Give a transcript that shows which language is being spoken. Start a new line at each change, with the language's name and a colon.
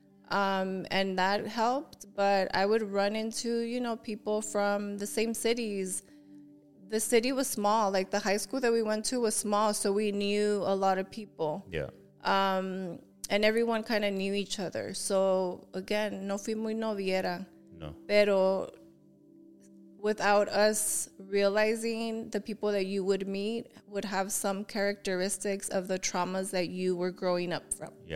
English: And that helped. But I would run into, you know, people from the same cities. The city was small, like the high school that we went to was small, so we knew a lot of people. And everyone kind of knew each other. So again,
Spanish: no fui muy noviera. Pero
English: without us realizing, the people that you would meet would have some characteristics of the traumas that you were growing up from.